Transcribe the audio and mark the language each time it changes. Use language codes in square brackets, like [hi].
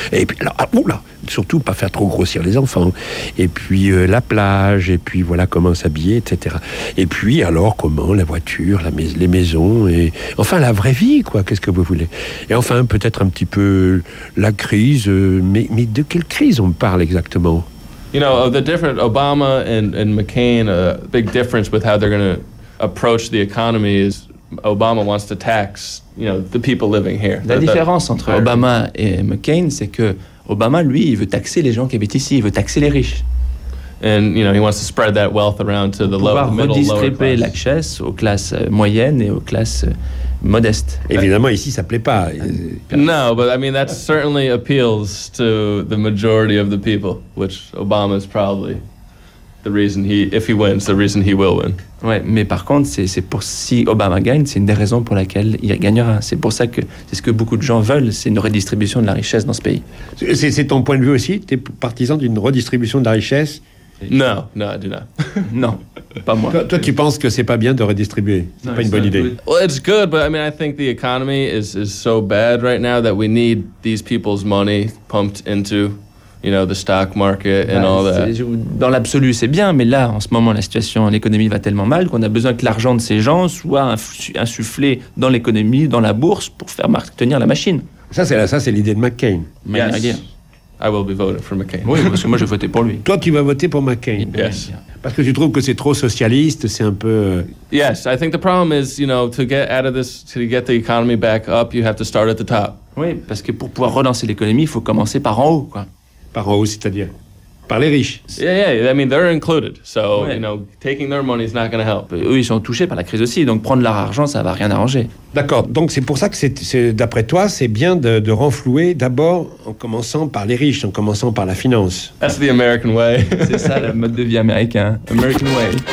[fr] Et puis là, surtout pas faire trop grossir les enfants. Et puis la plage, et puis voilà comment s'habiller, etc. Et puis alors, comment la voiture, les maisons, et enfin la vraie vie, quoi, qu'est-ce que vous voulez? Et enfin, peut-être un petit peu la crise, mais de quelle crise on parle exactement? [en] You know, the different Obama and McCain, a big difference with how they're going to approach the economy is Obama wants to tax, you know, the people living here. [fr] La différence entre Obama et McCain, c'est que Obama, lui, il veut taxer les gens qui habitent ici, il veut taxer les riches. [en] And, you know, he wants to spread that wealth around to the lower, middle, lower class. [fr] Pour pouvoir redistribuer la richesse aux classes moyennes et aux classes modeste. Évidemment, ici, ça plaît pas. [en] No, but I mean, that certainly appeals to the majority of the people, which Obama is probably the reason he, if he wins, the reason he will win. [fr] Ouais, mais par contre, c'est pour si Obama gagne, c'est une des raisons pour laquelle il gagnera. C'est pour ça que c'est ce que beaucoup de gens veulent, c'est une redistribution de la richesse dans ce pays. C'est ton point de vue aussi? T'es partisan d'une redistribution de la richesse? [en] No, I do not. [fr] Non, pas moi. Toi, tu penses que c'est pas bien de redistribuer? C'est pas une bonne idée. [en] Well, it's good, but I mean, I think the economy is so bad right now that we need these people's money pumped into, you know, the stock market and all that. [fr] Dans l'absolu, c'est bien, mais là, en ce moment, la situation, l'économie va tellement mal qu'on a besoin que l'argent de ces gens soit insufflé dans l'économie, dans la bourse, pour faire tenir la machine. Ça, c'est l'idée de McCain. [en] Yes. I will be voting for McCain. [fr] Oui, parce que moi, je vais voter pour lui. Toi, tu vas voter pour McCain. [en] Yes. [fr] Parce que tu trouves que c'est trop socialiste, c'est un peu... [en] Yes, I think the problem is, you know, to get out of this, to get the economy back up, you have to start at the top. [fr] Oui, parce que pour pouvoir relancer l'économie, il faut commencer par en haut, quoi. Par en haut, c'est-à-dire? Par les riches. [en] Yeah, I mean, they're included. So, you know, taking their money is not going to help. [fr] Eux, ils sont touchés par la crise aussi, donc prendre leur argent, ça ne va rien arranger. D'accord. Donc, c'est pour ça que, c'est d'après toi, c'est bien de renflouer d'abord en commençant par les riches, en commençant par la finance. [en] That's the American way. [fr] C'est ça, le mode de vie américain. [en] American way.